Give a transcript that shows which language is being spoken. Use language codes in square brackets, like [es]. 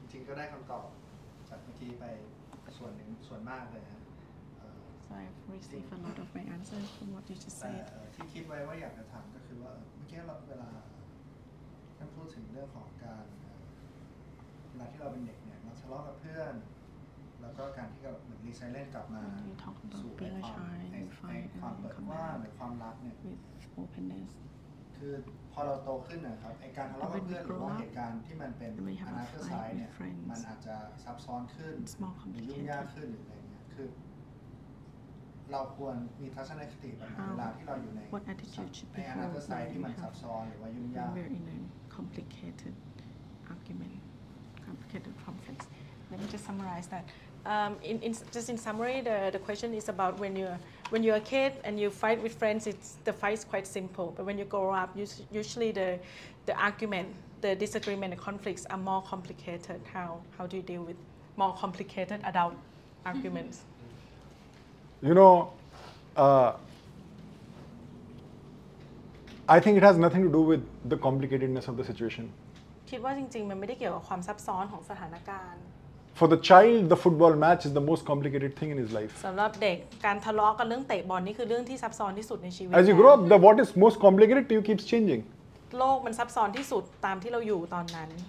[th] ก็ได้คำตอบจากเมื่อกี้ไปส่วนหนึ่งส่วนมากเลยฮะ [en] so I've received a lot of my answers from what you just said [th] ที่คิดไว้ว่าอยากจะถามก็คือว่าเมื่อกี้เราเวลาท่านพูดถึงเรื่องของการเวลาที่เราเป็นเด็กเนี่ยเราทะเลาะกับเพื่อนแล้วก็การที่เราเหมือนรีไซเลนต์กลับมา สู่ในความ เปิดว่าในความรักเนี่ย [en] with openness [th] คือพอเราโตขึ้นนะครับไอการทะเลาะกับเพื่อนหรือว่าเหตุการณ์ที่มันเป็นอนาคตไซด์เนี่ยมันอาจจะซับซ้อนขึ้นหรือยุ่งยากขึ้นหรืออะไรเงี้ยคือเราควรมีทัศนคติแบบไหนเวลาที่เราอยู่ในอนาคตไซด์ที่มันซับซ้อนหรือว่ายุ่งยาก [en] we're in a complicated argument complicated conflicts let me just summarize thatin summary the question is about when you're a kid and you fight with friends it's the fight is quite simple but when you grow up usually the argument the disagreement the conflicts are more complicated how do you deal with more complicated adult arguments you know I think it has nothing to do with the complicatedness of the situation [th] คิดว่าจริงๆมันไม่ได้เกี่ยวกับความซับซ้อนของสถานการณ์ [en] For the child, the football match is the most complicated thing in his life. [th] สำหรับเด็กการทะเลาะกันเรื่องเตะบอลนี่คือเรื่องที่ซับซ้อนที่สุดในชีวิต [en] As you grow up, the what is most complicated to you keeps changing. [th] โลกมันซับซ้อนที่สุดตามที่เราอยู่ตอนนั้น